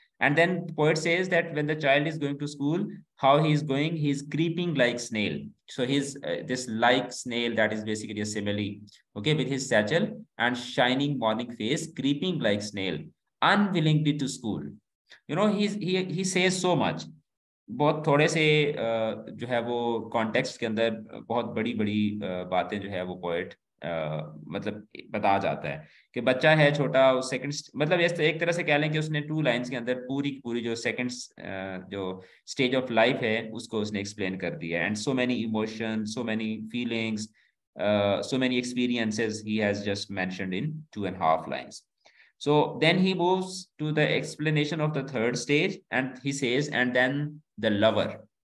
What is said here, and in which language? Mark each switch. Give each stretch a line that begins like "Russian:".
English: And then the poet says that when the child is going to school, how he is going, he is creeping like snail. So he's this like snail, that is basically a simile. Okay, with his satchel and shining morning face, creeping like snail, unwillingly to school. You know, he says so much.
Urdu: بہت تھوڑے سے جو ہے وہ context کے اندر بہت بڑی بڑی باتیں جو ہے وہ پوئٹ مطلب بتا جاتا ہے کہ بچہ ہے چھوٹا سیکنڈ مطلب ایک طرح سے کہہ لیں کہ اس نے ٹو لائنز کے اندر پوری پوری جو سیکنڈ جو اسٹیج آف لائف ہے اس کو اس نے ایکسپلین کر دیا
English: And so many emotion so many feelings so many experiences he has just mentioned in two and half lines. So then he moves to the explanation of the third stage and he says, and then the lover.